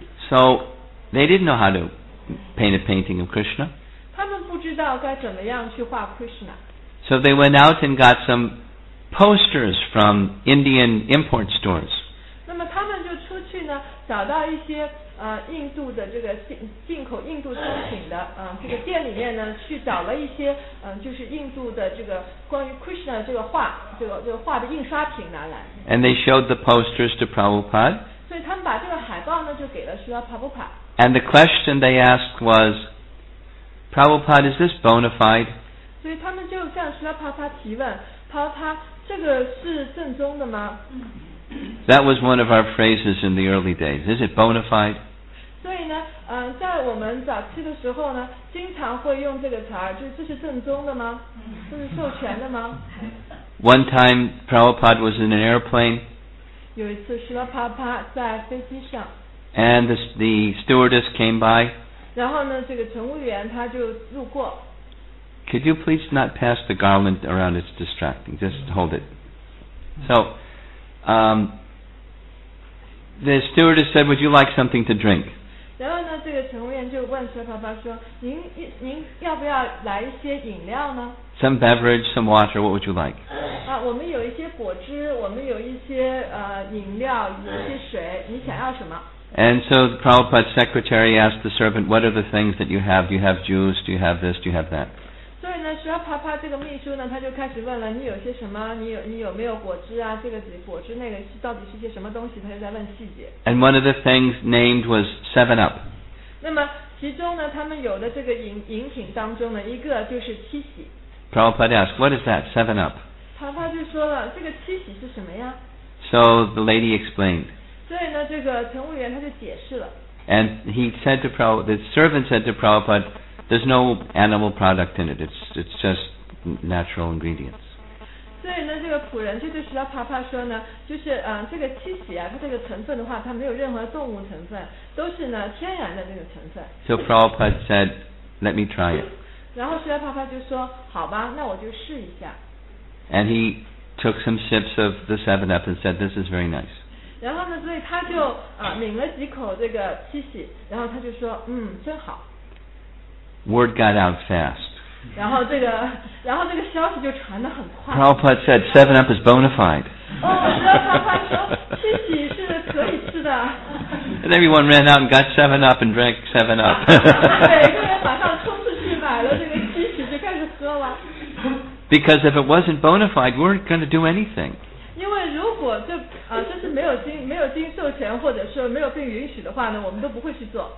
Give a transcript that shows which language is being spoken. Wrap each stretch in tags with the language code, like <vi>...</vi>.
<en>So, they didn't know how to paint a painting of Krishna.</en> <zh>他们不知道该怎么样去画 Krishna.</zh> <en>So they went out and got some posters from Indian import stores.</en> <zh>那么他们就出去呢，找到一些印度的这个进口印度商品的这个店里面呢，去找了一些就是印度的这个关于 Krishna 的这个画，这个画的印刷品拿来。</zh> <en>And they showed the posters to Prabhupada.</en> <zh>所以他们把这个海报呢就给了 Srila Prabhupada.</zh> <en>And the question they asked was, Prabhupada, is this bona fide?</en> <zh>所以他们就向 Srila Prabhupada 提问 ，Prabhupada， 这个是正宗的吗？</zh> <en>That was one of our phrases in the early days. Is it bona fide?</en> <zh>所以呢，在我们早期的时候呢，经常会用这个词儿，就是这是正宗的吗？这是授权的吗</zh> <en>？One time, Prabhupada was in an airplane.</en> <zh>有一次，Srila Prabhupada在飞机上。</zh> <en>And the stewardess came by.</en> <zh>然后呢，这个乘务员他就路过。</zh> <en>Could you please not pass the garland around? It's distracting. Just hold it. So. The stewardess said, would you like something to drink?</en> <zh>然后呢，这个乘务员就问车爸爸说：“您要不要来一些饮料呢</zh> <en>？”Some beverage, some water. What would you like?</en> <zh>啊，我们有一些果汁，我们有一些饮料，有一些水。你想要什么</zh> <en>？And so the Prabhupada's secretary asked the servant, "What are the things that you have? Do you have juice? Do you have this? Do you have that?"</en> <zh>所以呢，车爸爸这个秘书呢，他就开始问了：“你有些什么？你有没有果汁啊？这个果汁那个到底是些什么东西？” 他就在问细节。</zh> <en>And one of the things named was Seven Up.</en> <zh>那么其中呢，他们有的这个饮品当中呢，一个就是七喜。</zh> <en>Prabhupada asked, "What is that? Seven Up?"</en> <zh>爸爸就说了：“这个七喜是什么呀？”</zh> <en>So the lady explained.</en> <zh>所以呢，这个乘务员他就解释了。</zh> <en>And he said to Prabhupada, the servant said to Prabhupada. There's no animal product in it. It's just natural ingredients.</en> <zh>所以呢，这个仆人就对石拉帕帕说呢，就是这个七喜啊，它这个成分的话，它没有任何动物成分，都是呢天然的这个成分。</zh> <en>So Prabhupada said, "Let me try it."</en> <zh>然后石拉帕帕就说，好吧，那我就试一下。</zh> <en>And he took some sips of the Seven Up and said, "This is very nice."</en> <zh>然后呢，所以他就抿了几口这个七喜，然后他就说，真好。</zh> <en>Word got out fast.</en> <zh>然后这个消息就传得很快。</zh> <en>Prabhupada said, "Seven Up is bona fide."</en> <zh>哦，石拉帕帕说，七喜是可以吃的。</zh> <en>And everyone ran out and got Seven Up and drank Seven Up.</en> <zh>对，每个人马上冲出去买了这个七喜，就开始喝了。</zh> <en>Because if it wasn't bona fide, we weren't going to do anything.</en> <zh>因为如果这这是没有经授权或者是没有被允许的话呢，我们都不会去做。</zh>